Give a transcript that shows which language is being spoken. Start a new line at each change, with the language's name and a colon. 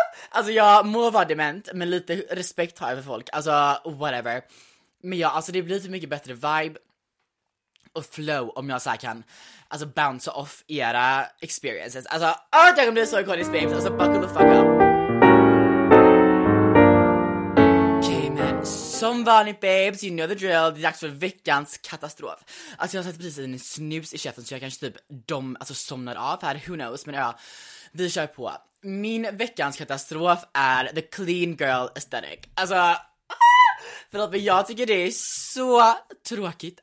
Swedish: Alltså jag må vara dement, men lite respekt har jag för folk. Alltså whatever. Men ja, alltså det blir lite mycket bättre vibe och flow om jag så här kan alltså
English: bounce off
Swedish: era experiences. Alltså åh, det kommer bli så ikoniskt babes.
English: Alltså buckle the fuck up.
Swedish: Som vanligt babes,
English: you know the drill.
Swedish: Det är dags för veckans katastrof. Alltså jag har satt precis en snus i käften, så jag kanske typ somnar av här.
English: Who knows,
Swedish: men ja, vi kör på. Min veckans katastrof är
English: the clean girl aesthetic.
Swedish: Alltså förlåt, men jag tycker det är så tråkigt.